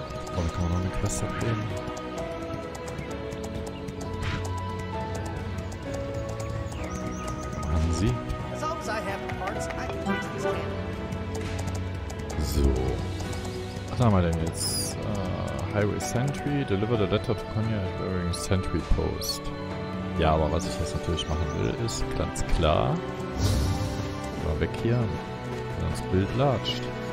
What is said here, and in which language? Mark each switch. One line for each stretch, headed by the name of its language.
German: Oh, da kann man noch eine Quest abgeben. So. Was haben wir denn jetzt?
English: Highway Sentry, deliver the letter to Konya during Sentry Post.
German: Ja, aber was ich jetzt natürlich machen will, ist ganz klar. Mal weg hier, wenn das Bild latscht.